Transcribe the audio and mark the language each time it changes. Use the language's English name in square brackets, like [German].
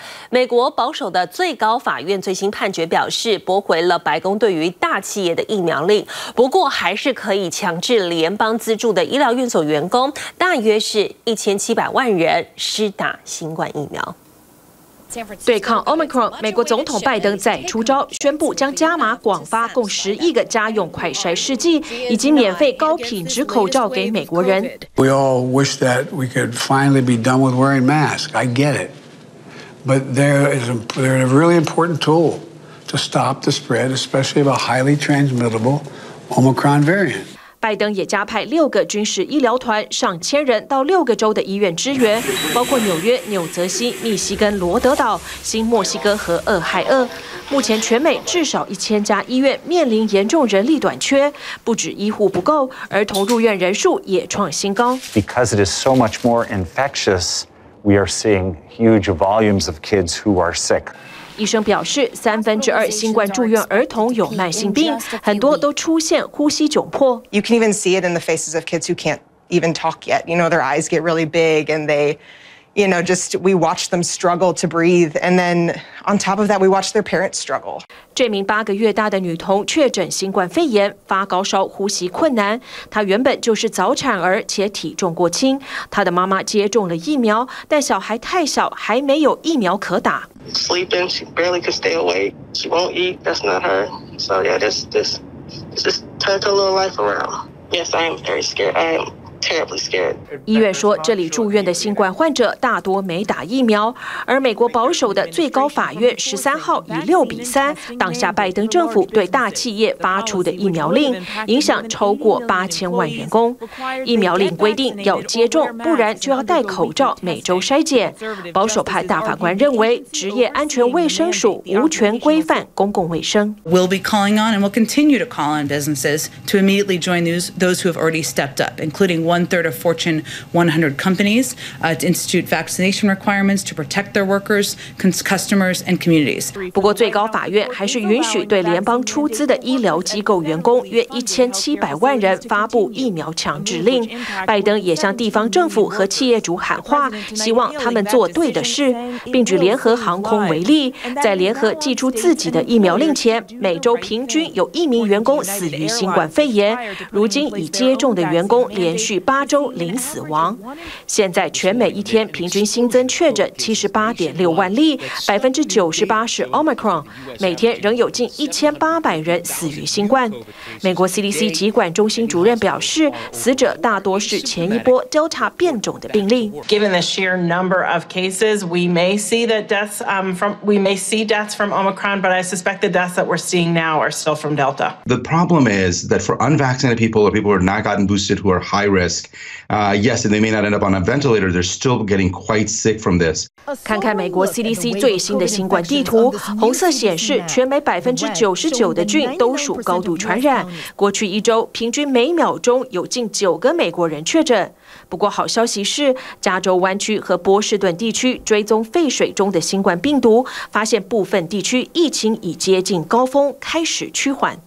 [Chinese] 美国保守的最高法院最新判决表示，驳回了白宫对于大企业的疫苗令，不过还是可以强制联邦资助的医疗院所员工，大约是1700万人施打新冠疫苗。对抗 Omicron， 美国总统拜登再出招，宣布将加码广发共10亿个家用快筛试剂，以及免费高品质口罩给美国人。 [English] We all wish that we could finally be done with wearing masks. I get it, but they're a really important tool to stop the spread, especially of a highly transmittable Omicron variant。 [Chinese] 拜登也加派六个军事医疗团，上千人到六个州的医院支援，包括纽约、纽泽西、密西根、罗德岛、新墨西哥和俄亥俄。目前全美至少1000家医院面临严重人力短缺，不止医护不够，儿童入院人数也创新高。 [English] Because it is so much more infectious, we are seeing huge volumes of kids who are sick. [Chinese] 医生表示，三分之二新冠住院儿童有慢性病，很多都出现呼吸窘迫。 [English] You can even see it in the faces of kids who can't even talk yet. You know, their eyes get really big and they, you know, just we watch them struggle to breathe. And then on top of that, we watch their parents struggle. [Chinese] 这名八个月大的女童确诊新冠肺炎，发高烧，呼吸困难。她原本就是早产儿，且体重过轻。她的妈妈接种了疫苗，但小孩太小，还没有疫苗可打。 [English] Sleeping, she barely could stay awake. She won't eat. That's not her. So yeah, just turn her little life around. Yes, I am very scared. I am. [Chinese] 医院说，这里住院的新冠患者大多没打疫苗，而美国保守的最高法院13号以6-3挡下拜登政府对大企业发出的疫苗令，影响超过8000万员工。疫苗令规定要接种，不然就要戴口罩、每周筛检。保守派大法官认为，职业安全卫生署无权规范公共卫生。 [English] We'll be calling on and we'll continue to call on businesses to immediately join those who have already stepped up, including. 1/3 of Fortune 100 companies, to institute vaccination requirements to protect their workers, customers, and communities. [Chinese] 不过最高法院还是允许对联邦出资的医疗机构员工约1700万人发布疫苗强制令。拜登也向地方政府和企业主喊话，希望他们做对的事，并举联合航空为例，在联合寄出自己的疫苗令前，每周平均有一名员工死于新冠肺炎，如今已接种的员工连续8周零死亡。现在全美一天平均新增确诊78.6万例，98%是 Omicron， 每天仍有近1800人死于新冠。美国 CDC 疾管中心主任表示，死者大多是前一波 Delta 变种的病例。 [English] Given the sheer number of cases, we may see that deaths from Omicron, but I suspect the deaths that we're seeing now are still from Delta. The problem is that for unvaccinated people or people who have not gotten boosted who are high risk. Yes, and they may not end up on a ventilator. They're still getting quite sick from this. [Chinese] 看看美国 CDC 最新的新冠地图，红色显示全美99%的郡都属高度传染。过去一周，平均每秒钟有近9个美国人确诊。不过好消息是，加州湾区和波士顿地区追踪废水中的新冠病毒，发现部分地区疫情已接近高峰，开始趋缓。